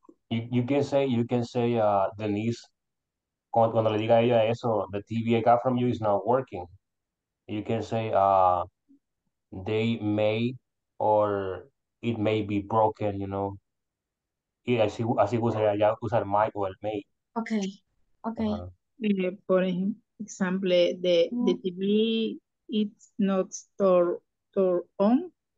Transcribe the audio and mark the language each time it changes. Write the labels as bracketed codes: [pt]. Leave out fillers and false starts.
[en] You can say Denise, [es] cuando le diga ella eso, [en] the TV I got from you is not working. You can say they may, or it may be broken, you know. [es] Y así usaría ya usar might o el may. [en] Okay, okay. For example, the TV it's not turned on.